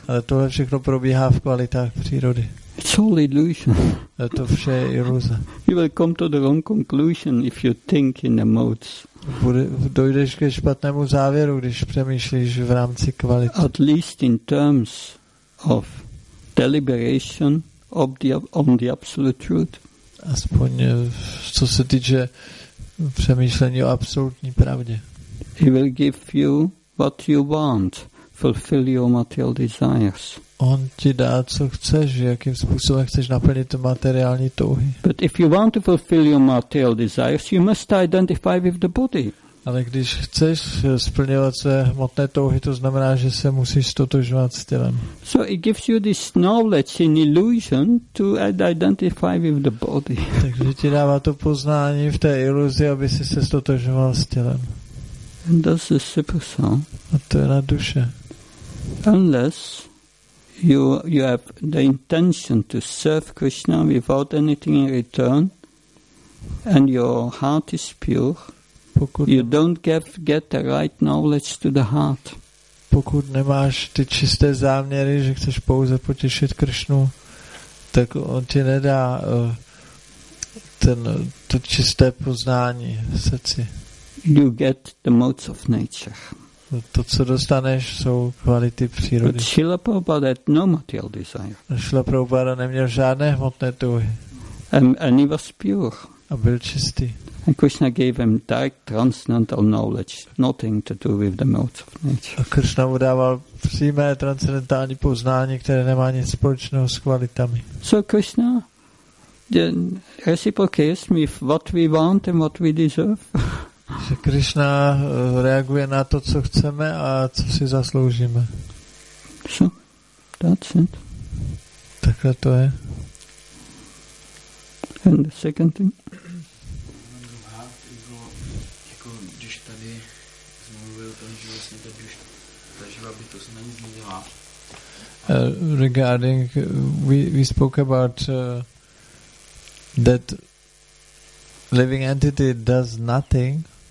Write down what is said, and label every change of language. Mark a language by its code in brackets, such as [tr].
[cs] Ale tohle všechno probíhá v kvalitách přírody. [en] It's all illusion. [cs] To vše je iluze. [en] You will come to the wrong conclusion if you think in the modes. [cs] dojdeš ke špatnému závěru, když přemýšlíš v rámci kvality. [en] At least in terms of deliberation of the, on the absolute truth. [cs] Aspoň co se týče přemýšlení o absolutní pravdě. [en] He will give you what you want, fulfill your material desires. [cs] On ti dá, co chceš, jakým způsobem chceš naplnit tu materiální touhy. [en] But if you want to fulfill your material desires, you must identify with the body. [cs] Ale když chceš splňovat své hmotné touhy, to znamená, že se musíš stotožovat s tělem. [en] So it gives you this knowledge in illusion to identify with the body. [cs] Takže ti dává to poznání v té iluzi, aby si se stotožoval s tělem. [en] And that's the super soul. [cs] A to je na duše. [en] Unless you have the intention to serve Krishna without anything in return and your heart is pure, [cs] pokud [en] you don't get the right knowledge to the heart. [cs] Pokud nemáš ty čisté záměry, že chceš pouze potěšit Krishnu, tak on ti nedá to čisté poznání v srdci. [en] You get the modes of nature. [cs] To, co dostaneš, jsou kvality přírody. [en] But Srila Prabhupada had no material desire. [cs] Srila Prabhupada neměl žádné hmotné touhy. [en] And he was pure. [cs] A byl čistý. [en] And Krishna gave him direct transcendental knowledge, nothing to do with the modes of nature. [cs] A Krishna mu dával přímé transcendentální poznání, které nemá nic společného s kvalitami. [en] So Krishna reciprocates me what we want and what we deserve. [cs] Že Krishna reaguje na to, co chceme a co si zasloužíme. [en] So, that's it. [cs] Takhle to je. [en] And the second thing. [cs] Druhá, jako když tady zmluvil o tom, že vlastně ta živá bytost není změnila. [en] Regarding, we spoke about that living entity does nothing.